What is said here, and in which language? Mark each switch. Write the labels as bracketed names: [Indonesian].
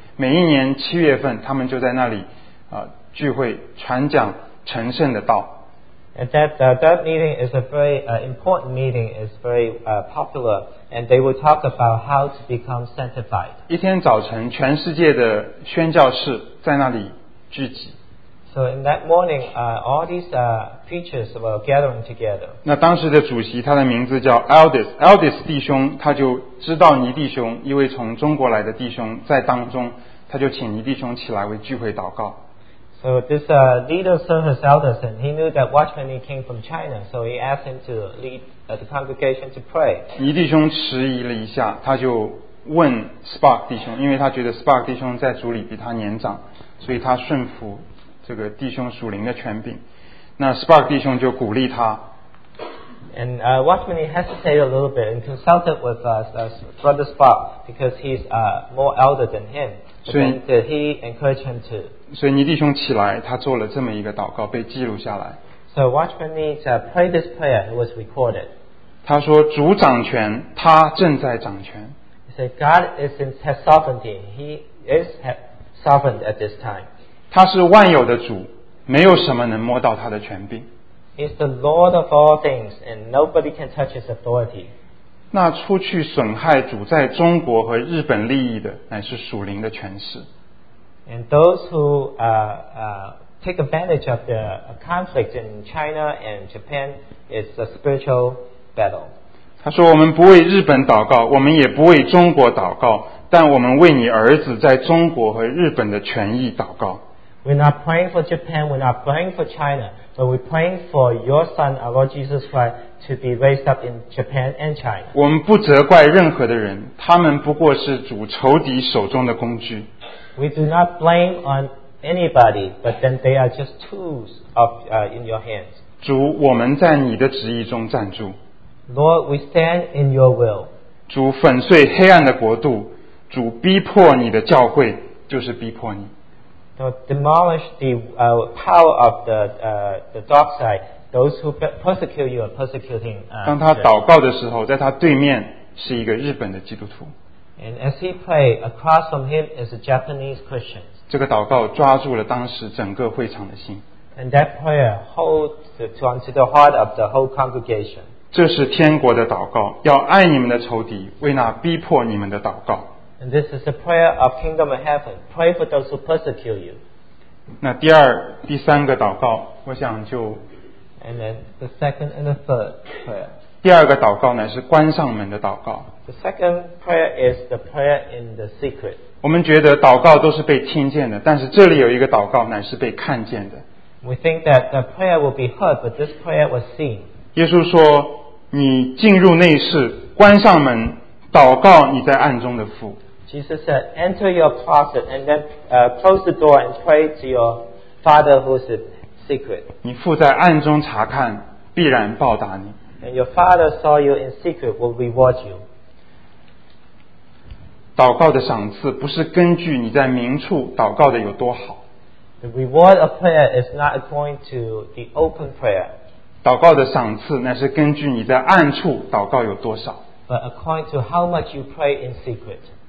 [Chinese] 每一年七月份，他们就在那里聚会，传讲成圣的道。 [English] And that meeting is a very important meeting. It's very popular, and they will talk about how to become sanctified. [Chinese] 一天早晨，全世界的宣教士在那里聚集。 [English] So in that morning, all these preachers were gathering together. [Chinese] 那当时的主席，他的名字叫 Aldis. Aldis 弟兄，他就知道倪弟兄，一位从中国来的弟兄在当中，他就请倪弟兄起来为聚会祷告。 [English] So this leader service elders, and he knew that Watchman Nee came from China, so he asked him to lead the congregation to pray. [Chinese] 倪弟兄迟疑了一下，他就问 Spark 弟兄，因为他觉得 Spark 弟兄在主里比他年长，所以他顺服这个弟兄属灵的权柄。那 Spark 弟兄就鼓励他。 [English] And Watchman Nee hesitated a little bit and consulted with Brother Spark because he's more elder than him. So did he encourage him to? [Chinese] 所以倪弟兄起来，他做了这么一个祷告，被记录下来。 [English] So Watchman Nee prayed this prayer. It was recorded. [Chinese] 他说：“主掌权，他正在掌权。” [English] He said, "God is in his sovereignty. He is sovereign at this time." [Chinese] 他是万有的主，没有什么能摸到他的权柄。 [English] He's the Lord of all things, and nobody can touch his authority. [Chinese] 那出去损害主在中国和日本利益的，乃是属灵的权势。 [English] And those who take advantage of the conflict in China and Japan is a spiritual battle. [Chinese] 他说：“我们不为日本祷告，我们也不为中国祷告，但我们为你儿子在中国和日本的权益祷告。” [English] We're not praying for Japan. We're not praying for China. But we're praying for your son, our Lord Jesus Christ, to be raised up in Japan and China. [Chinese] 我们不责怪任何的人，他们不过是主仇敌手中的工具。 [English] We do not blame on anybody, but then they are just tools of in your hands. [Chinese] 主，我们在你的旨意中站住。 [English] Lord, we stand in your will. [Chinese] 主，粉碎黑暗的国度，主逼迫你的教会，就是逼迫你。 [English] So demolish the power of the dark side. Those who persecute you are persecuting. [Chinese] 当他祷告的时候，在他对面是一个日本的基督徒。 [English] And as he prayed, across from him is a Japanese Christian. [Chinese] 这个祷告抓住了当时整个会场的心。 [English] And that prayer holds to the heart of the whole congregation. [Chinese] 这是天国的祷告，要爱你们的仇敌，为那逼迫你们的祷告。 [English] And this is a prayer of kingdom of heaven. Pray for those who persecute you. [Chinese] 那第三个祷告，我想就。 [English] And then the second and the third prayer. [Chinese] 第二个祷告呢是关上门的祷告。 [English] The second prayer is the prayer in the secret. [Chinese] 我们觉得祷告都是被听见的，但是这里有一个祷告乃是被看见的。 [English] We think that the prayer will be heard, but this prayer was seen. [Chinese] 耶稣说：“你进入内室，关上门。”祷告你在暗中的父。 [English] Jesus said, enter your closet and then close the door and pray to your Father who is in secret. [Chinese] 你父在暗中查看，必然报答你。 [English] And your Father saw you in secret will reward you. [Chinese] 祷告的赏赐不是根据你在明处祷告的有多好。 [English] The reward of prayer is not according to the open prayer. [Chinese] 祷告的赏赐乃是根据你在暗处祷告有多少。 [English] But according to how much you pray in secret.